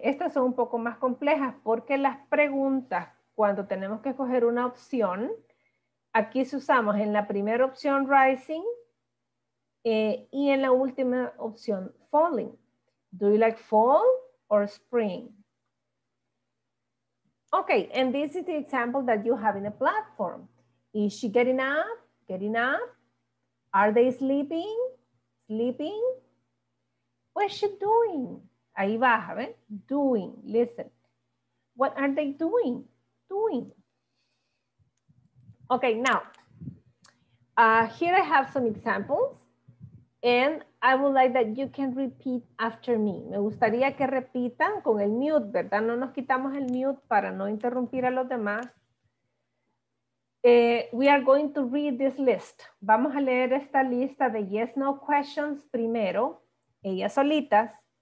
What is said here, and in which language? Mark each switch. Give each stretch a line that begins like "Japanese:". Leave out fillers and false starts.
Spanish: Estas son un poco más complejas porque las preguntas, cuando tenemos que escoger una opción, aquí se usamos en la primera opción rising y en la última opción falling.
English: Do you like fall or spring? Okay, and this is the example that you have in the platform. Is she getting up? Getting up? Are they sleeping? Sleeping? What's she doing?
Spanish: Ahí baja, ¿ven?
English: Doing, listen. What are they doing? Doing. Okay, now, here I have some examples, and I would like that you can repeat after me.
Spanish: Me gustaría que repitan con el mute, ¿verdad? No nos quitamos el mute para no interrumpir a los demás.
English: We are going to read this list.
Spanish: Vamos a leer esta lista de yes, no questions primero, ellas solitas.